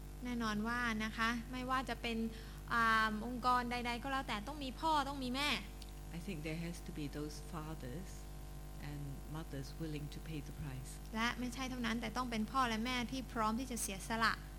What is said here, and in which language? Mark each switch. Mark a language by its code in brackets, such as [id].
[th] แน่นอนว่านะคะไม่ว่าจะเป็นองค์กรใดๆก็แล้วแต่ต้องมีพ่อต้องมีแม่ [en] I think there has to be those fathers and mothers willing to pay the price. [th] และไม่ใช่เท่านั้นแต่ต้องเป็นพ่อและแม่ที่พร้อมที่จะเสียสละ